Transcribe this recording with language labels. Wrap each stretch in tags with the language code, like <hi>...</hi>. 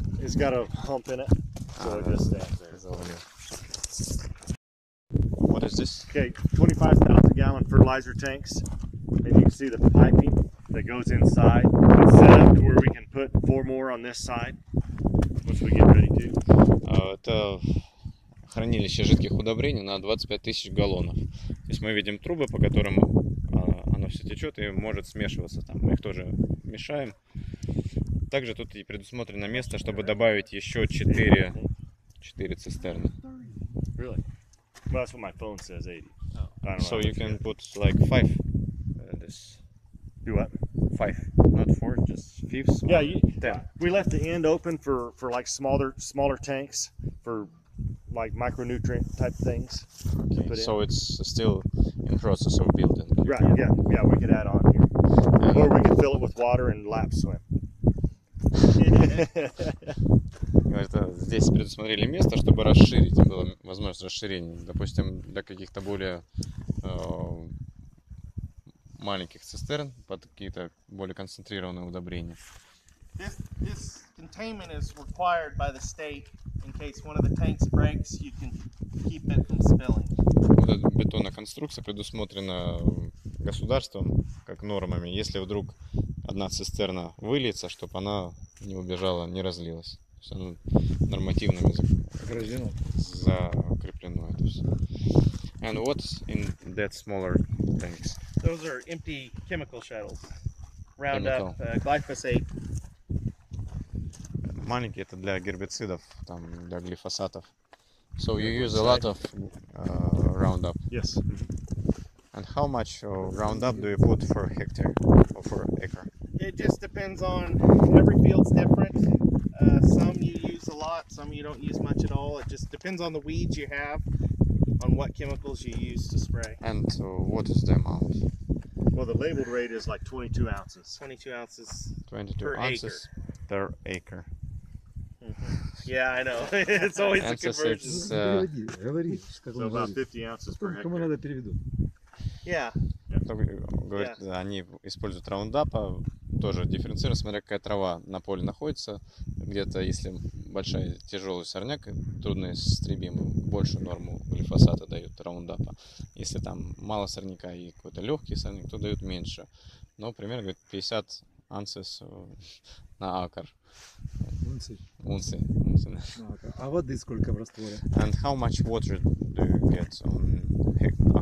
<en>It's got a hump in it, so it just stands there. It's over here. What is this? Okay, 25,000 gallon fertilizer tanks, and you can see the piping that goes inside. It's set up to where we can put four more on this side once we get ready to.</en> <ru>Это хранилище жидких удобрений на 25,000 галлонов. То есть мы видим трубы, по которым оно все течет и может смешиваться там. Мы их тоже мешаем. Также тут и предусмотрено место, чтобы добавить еще 4 цистерны.</ru> <en>Really? Well, that's what my phone says, 80. Oh. So you can put like 5 this. Do what? 5. Not 4, just 5. Yeah, 10. We left the end open for like smaller tanks for like micronutrient type things. Okay. So it's still in process of building. Right, yeah, we could add on here. Yeah. Or we could fill it with water and lap swim.</en> <ru>Говорит, здесь предусмотрели место, чтобы расширить, было возможность расширения, допустим, для каких-то более маленьких цистерн, под какие-то более концентрированные удобрения.</ru> <en>This containment is required by the state in case one of the tanks breaks, you can keep it from spilling.</en> <ru>Вот эта бетонная конструкция предусмотрена государством как нормами, если вдруг одна цистерна выльется, чтобы она не убежала, не разлилась. То есть оно нормативно закреплено это все.</ru> <en>And what's in that smaller tanks? Those are empty chemical shells. Roundup, glyphosate.</en> <ru>Маленькие, это для гербицидов, там, для глифосатов.</ru> <en>So you use a lot of Roundup? Yes. And how much Roundup do you put for a hectare or for an acre? It just depends on, every field's different. Some you use a lot, some you don't use much at all. It just depends on the weeds you have, on what chemicals you use to spray. And what is the amount? Well, the labeled rate is like 22 ounces. 22 ounces 22 per ounces acre. Per acre. Mm-hmm. Yeah, I know. It's always a conversion. It's, so about 50 ounces per hectare. Yeah.</en> <ru>Говорит,</ru> <en>yeah.</en> <ru>Они используют раундапа, тоже дифференцируют, смотря какая трава на поле находится. Где-то, если большая тяжелый сорняк, трудноистребимый, большую норму глифосата дают раундапа. Если там мало сорняка и какой-то легкий сорняк, то дают меньше. Но, примерно, говорит, 50 унций на акр. Унций. А воды сколько в растворе?</ru> <en>And how much water do you get on acre?</en>